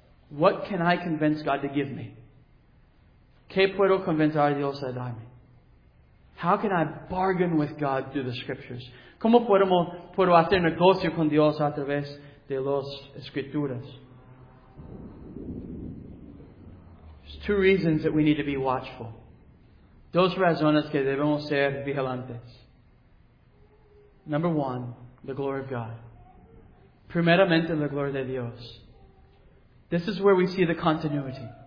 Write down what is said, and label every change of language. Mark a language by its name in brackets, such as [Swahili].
[English] What can I convince God to give me? [Spanish] ¿Qué puedo convencer a Dios a darme? [English] How can I bargain with God through the Scriptures? [Spanish] ¿Cómo puedo hacer negocio con Dios a través de las Escrituras? [English] There's two reasons that we need to be watchful. [Spanish] Dos razones que debemos ser vigilantes. [English] Number one, the glory of God. [Spanish] Primeramente, la gloria de Dios. [English] This is where we see the continuity.